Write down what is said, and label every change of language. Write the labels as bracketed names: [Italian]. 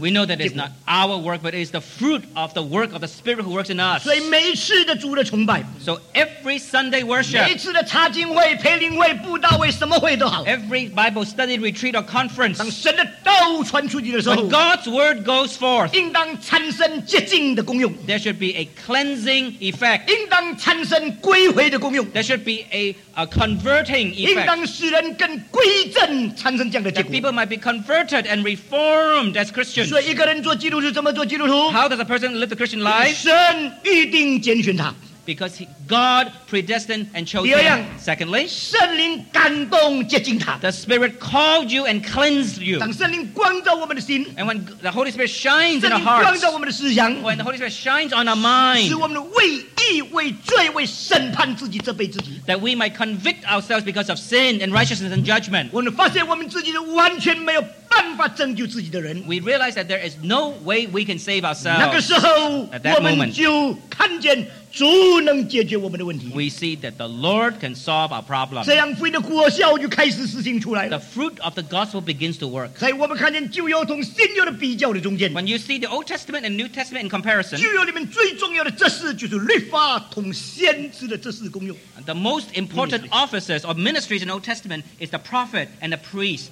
[English] We know that it's not our work, but it is the fruit of the work of the Spirit who works in us. [Chinese] 所以每一次的主的崇拜， [English] so every Sunday worship, [Chinese] 每一次的查经会、培灵会、布道会、什么会都好， [English] every Bible study, retreat, or conference, [Chinese] 当神的道传出去的时候， [English] when God's word goes forth, [Chinese] 应当产生洁净的功用， [English] there should be a cleansing effect. [Chinese] 应当产生归回的功用。 [English] There should be a converting effect. [Chinese] 应当使人更归正，产生这样的结果。 [English] That people might be converted and reformed as Christians. [Chinese] 所以一个人做基督徒怎么做基督徒？ [English] How does a person live the Christian life? [Chinese] 神预定拣选他。 [English] Because God predestined and chose him. Secondly, [Chinese] 圣灵感动接近他。 [English] The Spirit called you and cleansed you. [Chinese] 当圣灵光照我们的心， [English] and when the Holy Spirit shines in our hearts, [Chinese] 圣灵光照我们的思想， [English] when the Holy Spirit shines on our mind, [Chinese] 使我们为义、为罪、为审判自己，责备自己， [English] that we might convict ourselves because of sin and righteousness and judgment. [Chinese] 我们发现我们自己完全没有。 [English] We realize that there is no way we can save ourselves. [Chinese] 那个时候, [English] at that moment, [Chinese] 我们就看见主能解决我们的问题。 [English] We see that the Lord can solve our problem. [Chinese] 这样福音的果效就开始施行出来了。 [English] The fruit of the gospel begins to work. [Chinese] 在我们看见旧约同新约的比较的中间， [English] when you see the Old Testament and New Testament in comparison, [Chinese] 旧约里面最重要的职事就是律法同先知的职事功用。 [English] The most important ministry. Offices or ministries in Old Testament is the prophet and the priest.